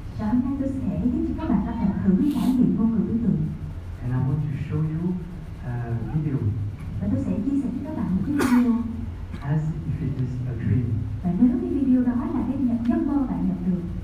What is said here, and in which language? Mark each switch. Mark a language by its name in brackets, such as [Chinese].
[Vietnamese] Sáng nay tôi sẽ giúp cho các bạn có thể thử cái trải nghiệm ngôn ngữ biểu tượng. [English] And I want to show you a video. [Vietnamese] Và tôi sẽ chia sẻ cho các bạn một cái video. [English] As if it is a dream. [Vietnamese] Và nếu cái video đó là cái giấc mơ bạn nhận được.